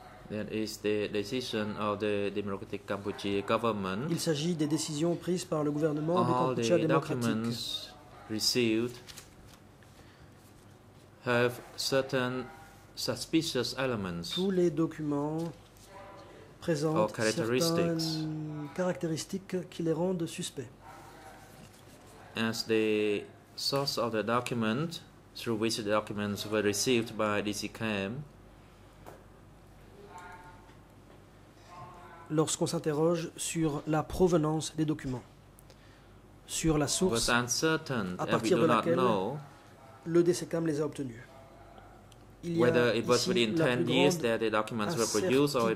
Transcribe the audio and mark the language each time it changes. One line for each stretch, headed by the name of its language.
English: That is the decision of the Democratic Cambodia government.
French: Il s'agit des décisions prises par le gouvernement du Cambodge démocratique.
English: All the documents received have certain suspicious elements.
French: Tous les documents présentent certaines caractéristiques qui les rendent suspects.
English: As the source of the document through which the documents were received by DCCAM.
French: Lorsqu'on s'interroge sur la provenance des documents, sur la source à partir de laquelle le DCCAM les a obtenus. Il y a ici la plus grande incertitude.